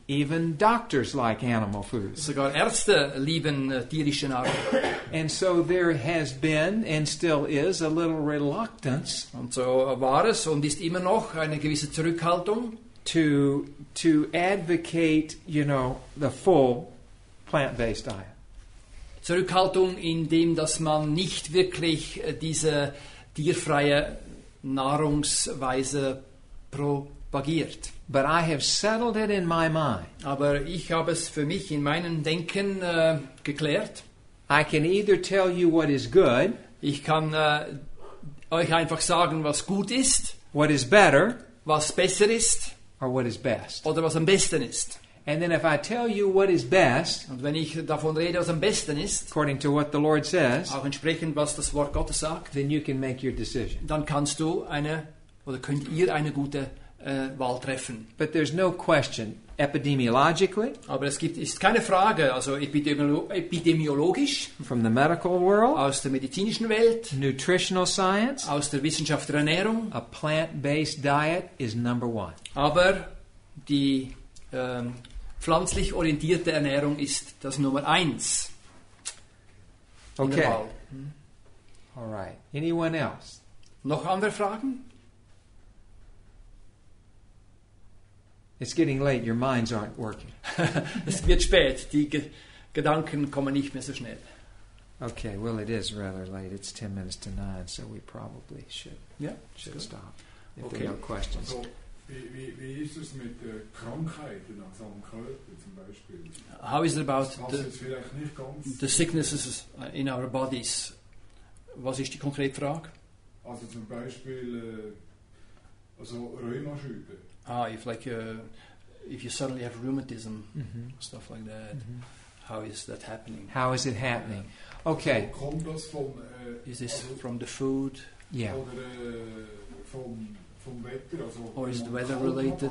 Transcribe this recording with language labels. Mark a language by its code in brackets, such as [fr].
[en] Even doctors like animal foods. [de] Sogar Ärzte lieben tierische Nahrung. [en] And so there has been and still is a little reluctance. [de] Und so war es und ist immer noch eine gewisse Zurückhaltung. [en] To advocate, you know, the full plant-based diet. [de] Zurückhaltung in dem, dass man nicht wirklich diese tierfreie Nahrungsweise propagiert. [en] But I have settled it in my mind. [de] Aber ich habe es für mich in meinem Denken geklärt. [en] I can either tell you what is good. [de] Ich kann euch einfach sagen, was gut ist. [en] What is better? [de] Was besser ist. [en] Or what is best? [de] Oder was am besten ist. [en] And then if I tell you what is best, [de] und wenn ich davon rede, was am besten ist, [en] according to what the Lord says, [de] auch entsprechend was das Wort Gottes sagt, [en] then you can make your decision. [de] Dann kannst du eine oder könnt ihr eine gute Wahl treffen. [en] But there's no question epidemiologically. [de] Aber es gibt ist keine Frage, also epidemiologisch, [en] from the medical world, [de] aus der medizinischen Welt, [en] nutritional science, [de] aus der Wissenschaft der Ernährung, [en] a plant-based diet is number one. [de] Aber die pflanzlich orientierte Ernährung ist das Nummer eins. [en] Okay. All right. Anyone else? [de] Noch andere Fragen? [en] It's getting late. Your minds aren't working. [de] Es wird spät. Die Gedanken kommen nicht mehr so schnell. [en] Okay. Well, it is rather late. It's 10 minutes to 9, so we probably should stop. If there are no questions. [de] So, wie ist es mit Krankheiten an seinem Körper zum Beispiel? [en] How is it about the sicknesses in our bodies? [de] Was ist die konkrete Frage? Also zum Beispiel Rheumaschübe. [en] Ah, if you suddenly have rheumatism, mm-hmm. stuff like that, mm-hmm. how is that happening? How is it happening? Okay. [de] So, kommt das von, [en] is this from the food? Yeah. [de] Oder vom Wetter? Also, [en] or is the weather related?